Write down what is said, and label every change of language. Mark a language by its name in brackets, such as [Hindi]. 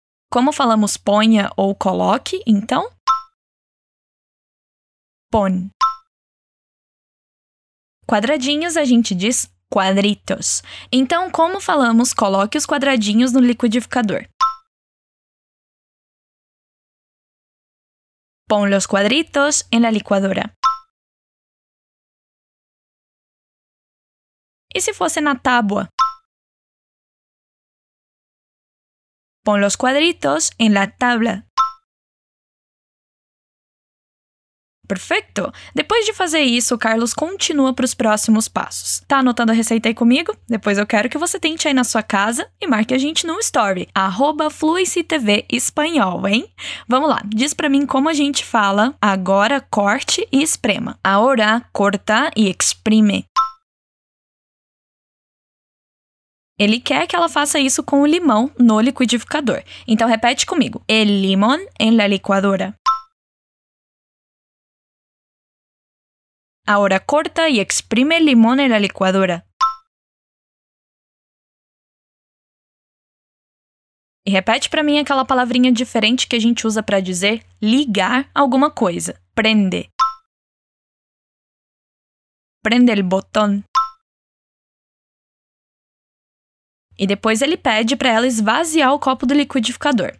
[Portuguese] Como falamos ponha ou coloque, então? [Spanish] Pon. [Portuguese] Quadradinhos, a gente diz cuadritos. Então, como falamos coloque os quadradinhos no liquidificador? [Spanish] Pon los cuadritos en la licuadora. [Portuguese] E se fosse na tábua? [Spanish] Pon los cuadritos en la tabla. [Portuguese] Perfeito. Depois de fazer isso, o Carlos continua para os próximos passos. Tá anotando a receita aí comigo? Depois eu quero que você tente aí na sua casa e marque a gente no story, @fluencytvespanhol, hein? Vamos lá, diz para mim como a gente fala agora corte e esprema. [Spanish] Ahora corta y exprime. [Portuguese] Ele quer que ela faça isso com o limão no liquidificador. Então repete comigo. [Spanish] El limón en la licuadora. Ahora corta y exprime el limón en la licuadora. [Portuguese] E repete para mim aquela palavrinha diferente que a gente usa para dizer ligar alguma coisa. Prende. [Spanish] Prende el botón. [Portuguese] E depois ele pede para ela esvaziar o copo do liquidificador.